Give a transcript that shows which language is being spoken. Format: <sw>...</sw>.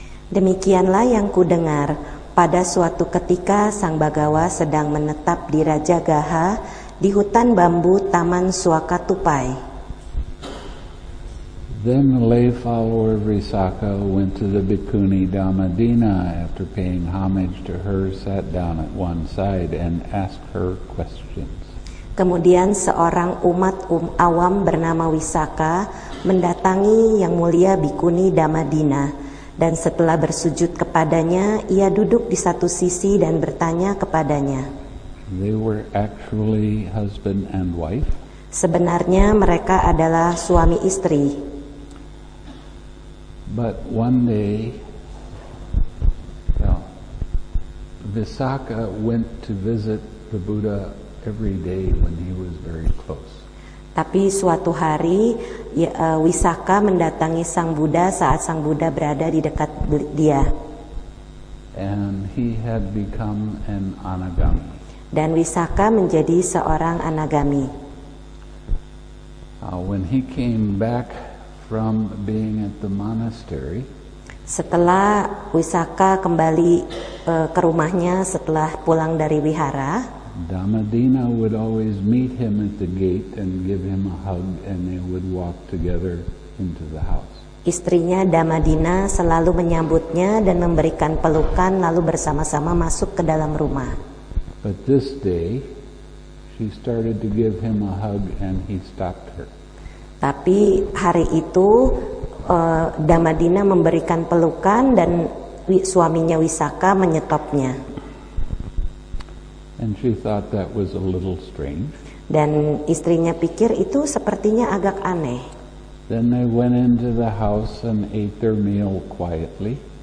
<id>Demikianlah yang kudengar, pada suatu ketika Sang Bhagawa sedang menetap di Rajagaha di hutan bambu Taman Suaka Tupai.</id> <en>Then a lay follower of Risaka went to the Bhikkhuni Dhammadina. After paying homage to her, sat down at one side and asked her questions.</en> <id>Kemudian seorang umat awam bernama Wisaka mendatangi Yang Mulia Bhikkhuni Dhammadina, dan setelah bersujud kepadanya, ia duduk di satu sisi dan bertanya kepadanya.</id> <en>They were actually husband and wife.</en> <id>Sebenarnya mereka adalah suami istri.</id> <en>But one day, well, Visakha went to visit the Buddha every day when he was very close.</en> <id>Tapi suatu hari, Visakha mendatangi Sang Buddha saat Sang Buddha berada di dekat dia.</id> <en>And he had become an anagami.</en> <id>Dan Visakha menjadi seorang anagami.</id> <en>When he came back from being at the monastery,</en> <id>setelah Wisaka kembali ke rumahnya setelah pulang dari wihara,</id> <en>Dhammadina would always meet him at the gate and give him a hug, and they would walk together into the house.</en> <id>Istrinya Dhammadina selalu menyambutnya dan memberikan pelukan, lalu bersama-sama masuk ke dalam rumah.</id> <en>But this day she started to give him a hug and he stopped her.</en> <id>Tapi hari itu Dhammadina memberikan pelukan dan suaminya Wisaka menyetopnya.</id> <en>And she thought that was a little strange.</en> <id>Dan istrinya pikir itu sepertinya agak aneh.</id> <en>Then they went into the house and ate their meal quietly.</en>